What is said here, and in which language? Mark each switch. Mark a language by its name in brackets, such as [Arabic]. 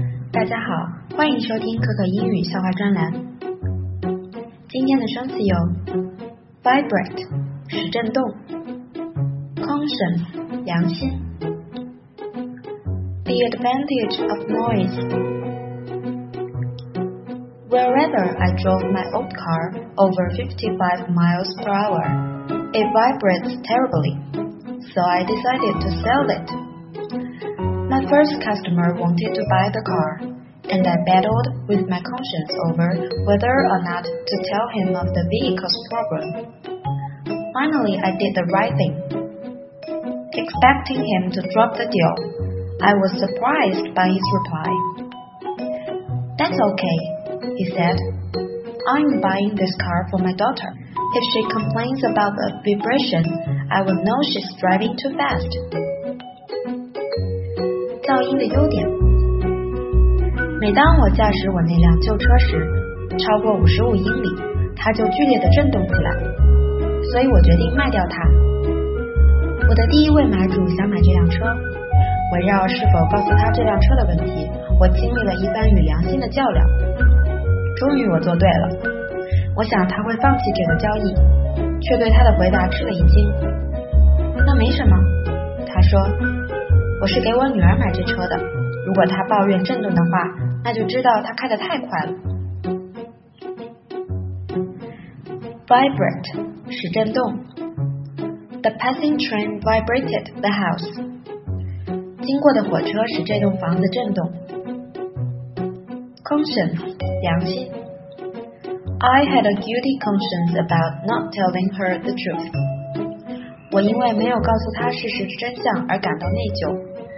[Chinese] 大家好，欢迎收听可可英语笑话专栏。今天的生词有 vibrate 使震动， conscience 良心， [English] the advantage of noise。 Wherever I drove my old car over 55 miles per hour, it vibrates terribly, so I decided to sell it. My first customer wanted to buy the car. And I battled with my conscience over whether or not to tell him of the vehicle's problem. Finally, I did the right thing. Expecting him to drop the deal, I was surprised by his reply. That's okay, he said. I'm buying this car for my daughter. If she complains about the vibration, I will know she's driving too fast. [Chinese] 噪音的优点。每当我驾驶我那辆旧车时，超过55英里，它就剧烈地震动起来，所以我决定卖掉它。我的第一位买主想买这辆车，围绕是否告诉他这辆车的问题，我经历了一番与良心的较量。终于我做对了，我想他会放弃这个交易，却对他的回答吃了一惊。那没什么，他说，我是给我女儿买这车的。如果他抱怨震动的话，那就知道他开得太快了。 Vibrate 使震动。 [English] The passing train vibrated the house. [Chinese] 经过的火车使这栋房子震动。Conscience 良心。 [English] I had a guilty conscience about not telling her the truth. [Chinese] 我因为没有告诉她事实真相而感到内疚。